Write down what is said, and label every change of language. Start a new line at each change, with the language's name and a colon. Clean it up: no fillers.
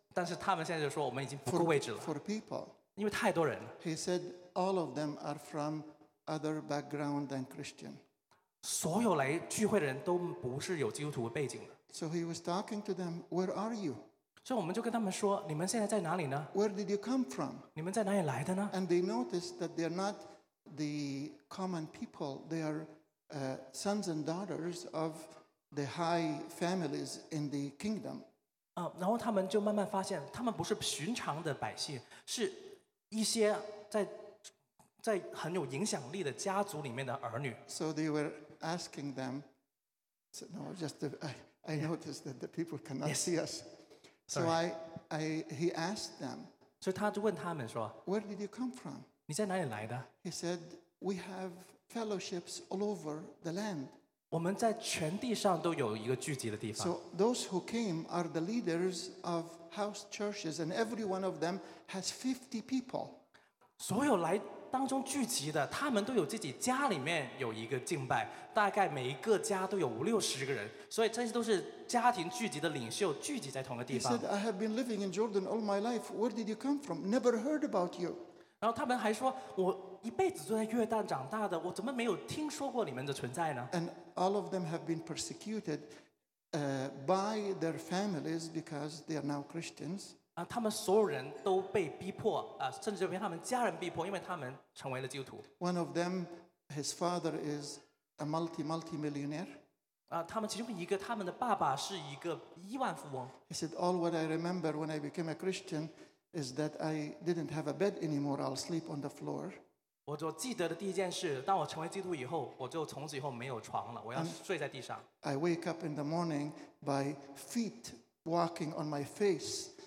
Chinese: 但是他们现在就说我们已经不够位置了。
English: For people.
Chinese: 因为太多人。
English: He said, "All of them are from other background than Christian."
Chinese: 所有来聚会的人都不是有基督徒背景的。
English: So he was talking to them, "Where are you?"
Chinese: 所以我们就跟他们说，你们现在在哪里呢？
English: Where did you come from?
Chinese: 你们在哪里来的呢？
English: And they noticed that they're not the common people. They are sons and daughters of the high families in the kingdom.
Chinese: 然后他们就慢慢发现，他们不是寻常的百姓，是一些在很有影响力的家族里面的儿女。
English: So they were asking them. So, no, just the, I noticed that the people cannot see us. So he asked them. So he
Chinese: 就问他们说
English: Where did you come from?
Chinese: 你在哪里来的？
English: He said, We have fellowships all over the land.
Chinese: 我们在全地上都有一个聚集的地方。
English: So those who came are the leaders of house churches, and every one of them has 50 people.
Chinese: 所有来当中聚集的，他们都有自己家里面有一个敬拜，大概每一个家都有五六十个人，所以这些都是家庭聚集的领袖聚集在同个地方。
English: He said, "I have been living in Jordan all my life. Where did you come from? Never heard about you."
Chinese: 然后他们还说，我一辈子都在约旦长大的，我怎么没有听说过你们的存在呢
English: ？And all of them have been persecuted, by their families because they are now Christians.
Chinese: 他们所有人都被逼迫，甚至被他们家人逼迫，因为他们成为了基督徒。
English: One of them, his father is a multi millionaire.
Chinese: 他们其中一个，他们的爸爸是一个亿万富翁。
English: He said, "All what I remember when I became a Christian is that I didn't have a bed anymore. I'll sleep on the floor."
Chinese: 我就记得的第一件事，当我成为基督以后，我就从此以后没有床了，我要睡在地上。
English: And I wake up in the morning by feet walking on my face.